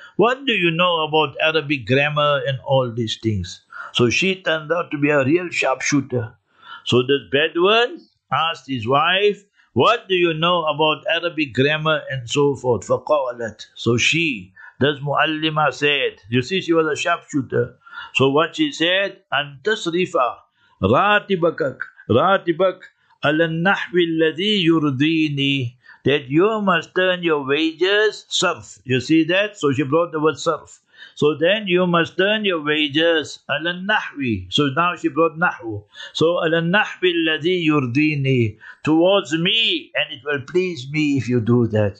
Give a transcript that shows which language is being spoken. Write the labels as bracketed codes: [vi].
[en] What do you know about Arabic grammar and all these things? So she turned out to be a real sharpshooter. So the Bedouin asked his wife, what do you know about Arabic grammar and so forth? [ar] فقالت. [en] So she, this muallima said, you see, she was a sharpshooter. So what she said, [ar] أن تصرف راتبك على النحو الذي يرضيني. [en] That you must turn your wages surf. You see that? So she brought the word surf. So then you must turn your wages ala nahwi. So now she brought nahwu. So [ar] ala nahwi alladhi yurdini, [en] towards me, and it will please me if you do that.